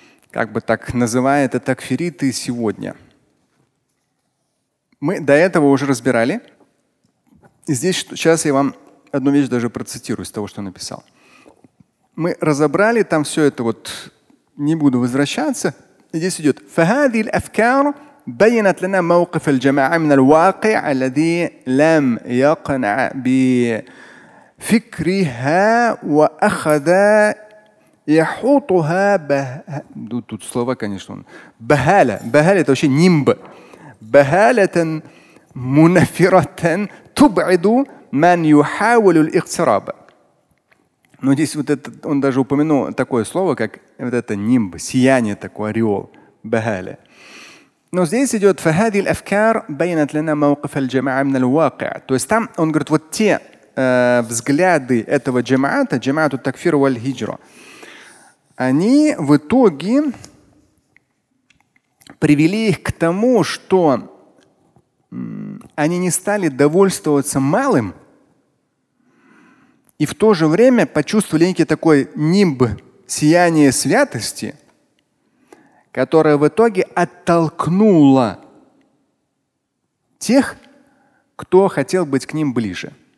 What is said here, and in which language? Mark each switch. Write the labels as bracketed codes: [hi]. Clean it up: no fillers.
[ru] Как бы так называют это такфириты сегодня. Мы до этого уже разбирали. И здесь сейчас я вам одну вещь даже процитирую из того, что написал. Мы разобрали там все это, вот не буду возвращаться. Здесь идет [ar] فهذه الأفكار بينت لنا موقف الجماعة من الواقع الذي لم يقنع بفكرها وأخذ يحوطها [ru] тут слова, конечно, [ar] بهالة. [ru] بهالة это вообще нимб. [ar] بهالة منفرة تبعد من يحاول الاقتراب. [ru] Но здесь вот это, он даже упомянул такое слово, как вот это нимб, сияние такое, ореол. Бахали. Но здесь идет [ar] فهذه الأفكار بينت لنا موقف الجماعة من الواقع. [ru] То есть там он говорит, вот те взгляды этого джамаата, джамаату такфир валь хиджра, они в итоге привели их к тому, что они не стали довольствоваться малым и в то же время почувствовали некий такой нимб, сияние святости, которая в итоге оттолкнула тех, кто хотел быть к ним ближе.